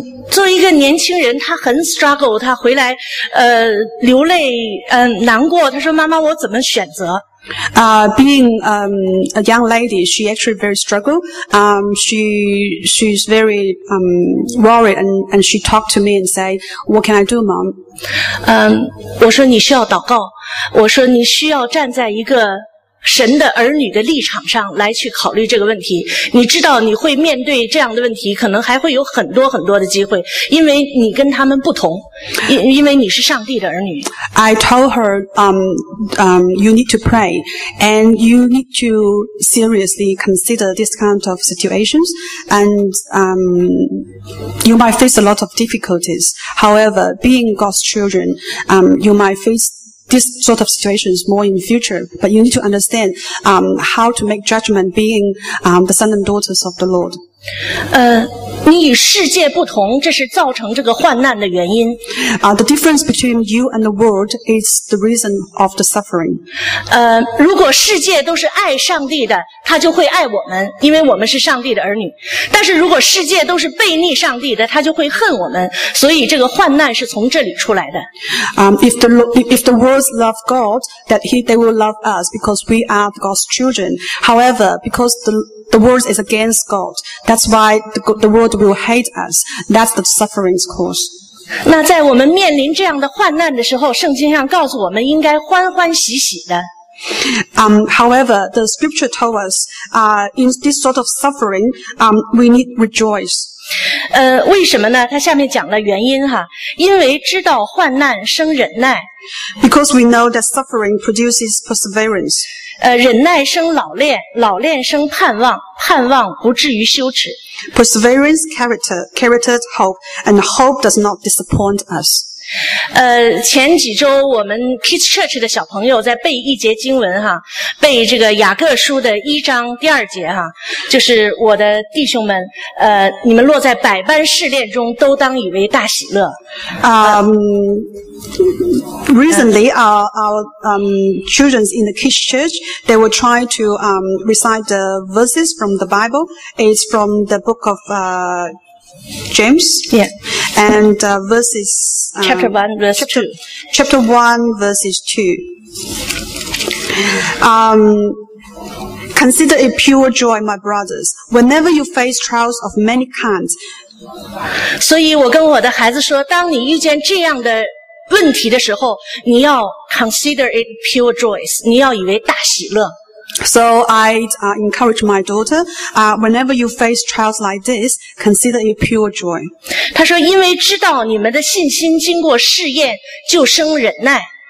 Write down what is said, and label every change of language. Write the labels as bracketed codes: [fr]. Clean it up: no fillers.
[zh] 作为一个年轻人，他很 struggle， 他回来，流泪，难过。他说：“妈妈，我怎么选择？” [en] Being a young lady, she actually very struggle. She's very worried, and she talked to me and say, "What can I do, mom?" [zh] 我说你需要祷告。我说你需要站在一个神的儿女的立场上来去考虑这个问题，你知道你会面对这样的问题，可能还会有很多很多的机会，因为你跟他们不同，因为你是上帝的儿女。 [en] I told her, you need to pray, and you need to seriously consider this kind of situations, and you might face a lot of difficulties. However, being God's children, you might face this sort of situation is more in the future, but you need to understand how to make judgment being the sons and daughters of the Lord. [zh] 你与世界不同，这是造成这个患难的原因。 [en] The difference between you and the world is the reason of the suffering. [zh] 如果世界都是爱上帝的，他就会爱我们，因为我们是上帝的儿女。但是如果世界都是悖逆上帝的，他就会恨我们。所以这个患难是从这里出来的。 [en] If the world loves God, that they will love us because we are God's children. However, because the world is against God. That's why the world will hate us. That's the suffering's cause. [zh] 那在我们面临这样的患难的时候，圣经上告诉我们应该欢欢喜喜的。 [en] However, the scripture told us, in this sort of suffering, we need rejoice. [zh] 为什么呢？他下面讲了原因哈，因为知道患难生忍耐。 [en] Because we know that suffering produces perseverance. [zh] 忍耐生老练，老练生盼望，盼望不至于羞耻。 [en] Perseverance, character, character, hope, and hope does not disappoint us. [zh] 前几周我们 Kids Church 的小朋友在背一节经文哈，背这个雅各书的一章第二节哈，就是我的弟兄们，你们落在百般试炼中，都当以为大喜乐。 [en] Recently, our children in the Kids Church, they were trying to recite the verses from the Bible. It's from the book of James. Yeah. And verses. Chapter 1, verses 2. Consider it pure joy, my brothers, whenever you face trials of many kinds. [zh] 所以我跟我的孩子说，当你遇见这样的问题的时候，你要 [en] consider it pure joy, [zh] 你要以为大喜乐。 [en] So I encourage my daughter, whenever you face trials like this, consider it pure joy. [zh] 她说因为知道你们的信心经过试验就生忍耐。